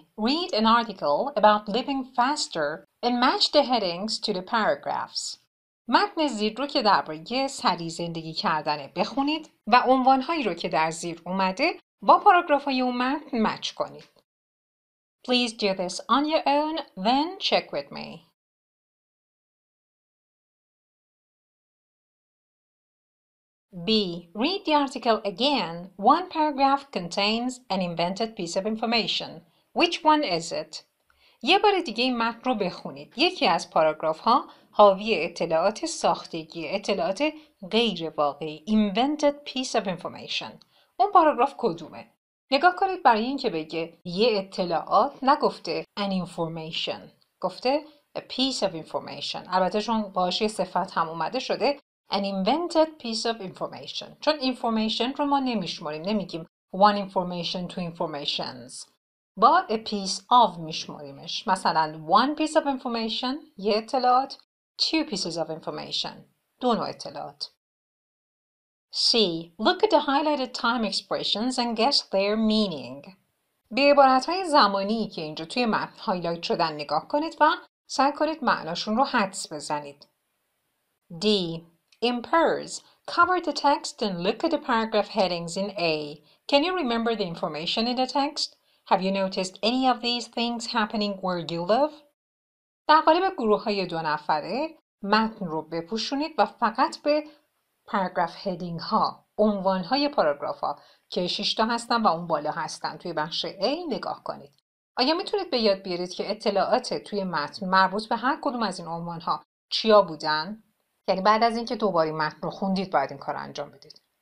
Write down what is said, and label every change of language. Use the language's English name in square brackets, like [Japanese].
[English] Read an article about living faster and match the headings to the paragraphs. [Persian] متن زیر رو که درباره سریع زندگی کردنه بخونید و عنوانهایی رو که در زیر اومده با پاراگراف‌های اون متن مچ کنید. [English] Please do this on your own, then check with me. B. Read the article again. One paragraph contains an invented piece of information. Which one is it? [Persian] یه بار دیگه این متن رو بخونید. یکی از پاراگراف ها حاوی اطلاعات ساختگی، اطلاعات غیر واقعی. [English] Invented piece of information. [Persian] اون پاراگراف کدومه؟ نگاه کنید برای این که بگه یه اطلاعات نگفته [English] an information. [Persian] گفته [English] a piece of information. [Persian] البته چون باهاش یه صفت هم اومده شده [English] an invented piece of information. [Persian] چون information رو ما نمیشماریم. نمیگیم [English] one information, two informations. [Persian] با [English] a piece of [Persian] میشماریمش. مثلا [English] one piece of information [Persian] یه اطلاعات. [English] Two pieces of information. [Persian] دو نوع اطلاعات. [English] C. Look at the highlighted time expressions and guess their meaning. [Persian] به عبارتهای زمانی که اینجا توی متن هایلایت شدن نگاه کنید و سعی کنید معناشون رو حدس بزنید. [English] D. Impairs. Cover the text and look at the paragraph headings in A. Can you remember the information in the text? Have you noticed any of these things happening where you live? [Persian] در قالب گروه‌های دو نفره متن رو بپوشونید و فقط به پاراگراف هدینگ ها، عنوان های پاراگراف ها که 6 تا هستن و اون بالا هستن توی بخش A نگاه کنید. آیا میتونید به یاد بیارید که اطلاعات توی متن مربوط به هر کدوم از این عنوان ها چیا بودن؟ یعنی بعد از اینکه دوباره متن رو خوندید باید این کار انجام بدید.